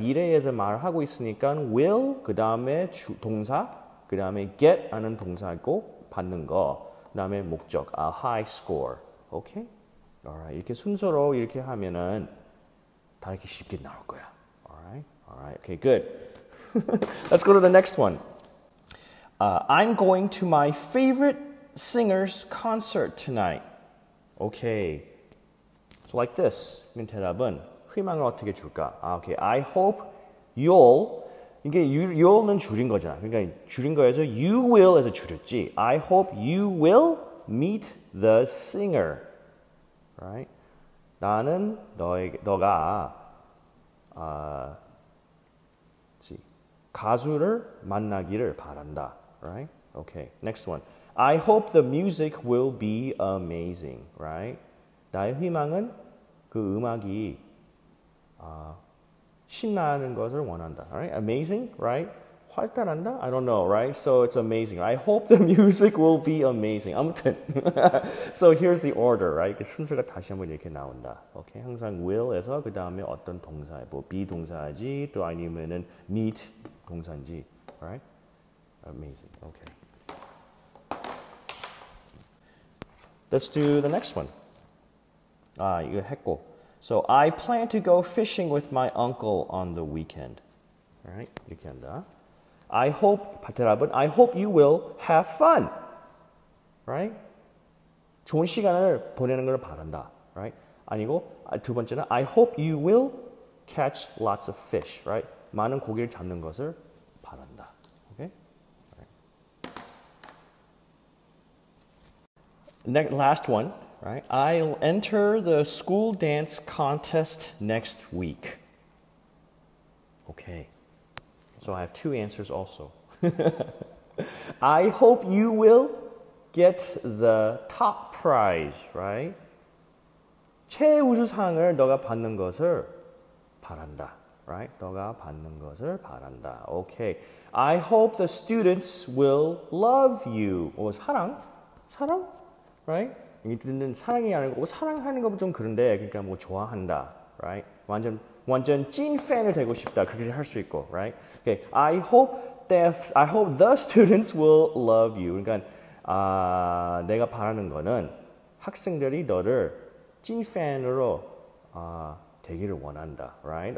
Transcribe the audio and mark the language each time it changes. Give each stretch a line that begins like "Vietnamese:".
Korean: 미래에서 말하고 있으니까 will 그 다음에 동사 그 다음에 get 하는 동사고 받는 거. 그 다음에 목적.
English: A high score. Okay? Alright.
Korean: 이렇게 순서로 이렇게 하면은 다 이렇게 쉽게 나올 거야.
English: Alright? Alright. Okay. Good. Let's go to the next one. I'm going to my favorite singer's concert tonight. Okay. So like this.
Korean: 그럼 대답은 희망을 어떻게 줄까? 아,
English: okay. I hope you'll
Korean: 이게 you'll는 줄인 거잖아. 그러니까 줄인 거에서
English: you will에서
Korean: 줄였지.
English: I hope you will meet the singer. Right?
Korean: 나는 너가 가수를 만나기를 바란다.
English: right? Okay, next one. I hope the music will be amazing, right?
Korean: 나의 희망은 그 음악이 신나는 것을 원한다,
English: right? Amazing, right?
Korean: 활달한다?
English: I don't know, right? So it's amazing. I hope the music will be amazing.
Korean: 아무튼,
English: so here's the order, right?
Korean: 순서가 다시 한번 이렇게 나온다. Okay, 항상 will에서 그 다음에 어떤 동사, 뭐 be 동사지, 또 아니면은 meet 동사인지,
English: right? Amazing, okay. Let's do the next one.
Korean: 아, 이거 했고.
English: So I plan to go fishing with my uncle on the weekend. Alright,
Korean: 이렇게 한다.
English: I hope, 파테라분, I hope you will have fun. Right?
Korean: 좋은 시간을 보내는 걸 바란다.
English: Right?
Korean: 아니고, 두 번째는,
English: I hope you will catch lots of fish. Right?
Korean: 많은 고기를 잡는 것을 바란다.
English: Okay? Next, last one, right? I'll enter the school dance contest next week. Okay. So I have two answers also. I hope you will get the top prize, right?
Korean: 최우수상을 너가 받는 것을 바란다,
English: right?
Korean: 너가 받는 것을 바란다.
English: Okay. I hope the students will love you.
Korean: 오, 사랑? 사랑?
English: Right?
Korean: 이때는 사랑이 아니고 사랑하는 거 좀 그런데 그러니까 뭐 좋아한다,
English: right?
Korean: 완전 찐 팬을 되고 싶다 그렇게 할 수 있고,
English: right? Okay, I hope the students will love you.
Korean: 그러니까 내가 바라는 거는 학생들이 너를 찐 팬으로 되기를 원한다,
English: right?